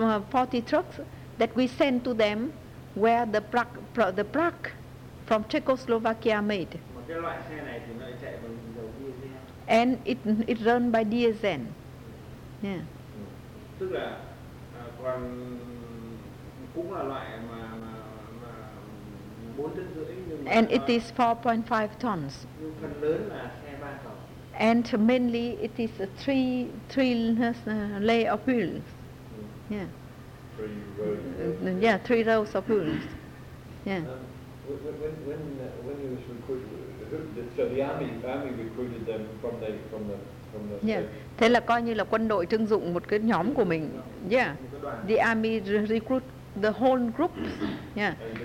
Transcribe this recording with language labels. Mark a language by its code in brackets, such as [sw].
[en] But 40 trucks that we sent to them were the Prague from Czechoslovakia made. [vi] Mà cái loại xe này thì nó chạy bằng [en] and it run by DSN. Yeah. [vi] Tức là còn cũng là loại mà bốn tấn rưỡi, [en] and it is 4.5 tons. [vi] Phần lớn là xe ba cầu. [en] And mainly it is three layer of wheels. Yeah. Three rows. Yeah, three rows of wheels. Yeah. When he was recruited, so the army recruited them from the Yeah. [vi] Thế là coi như là quân đội trưng dụng một cái nhóm của mình. Yeah. [en] The army recruit the whole group. Yeah.